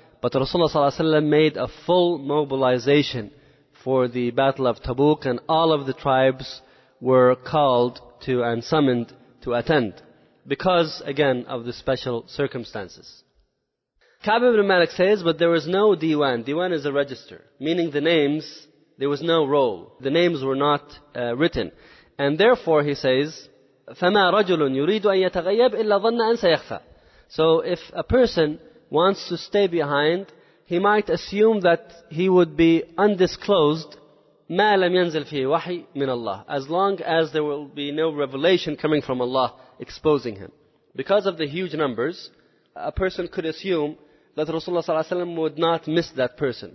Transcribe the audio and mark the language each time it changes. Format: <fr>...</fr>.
<en>But Rasulullah ﷺ made a full mobilization for the Battle of Tabuk, and all of the tribes were called to and summoned to attend because, again, of the special circumstances. Ka'b ibn Malik says, but there was no diwan. Diwan is a register, meaning the names, there was no role. The names were not written. And therefore, he says,</en> <ar>فَمَا رَجُلٌ يُرِيدُ أَن يَتَغَيَّبْ إِلَّا ظَنَّ أَن سَيَخْفَى.</ar> <en>So if a person wants to stay behind, he might assume that he would be undisclosed,</en> <ar>مَا لَمْ يَنزِلْ فِيهِ وَحِي مِنْ اللَّهِ,</ar> <en>as long as there will be no revelation coming from Allah exposing him. Because of the huge numbers, a person could assume that Rasulullah ﷺ would not miss that person.</en>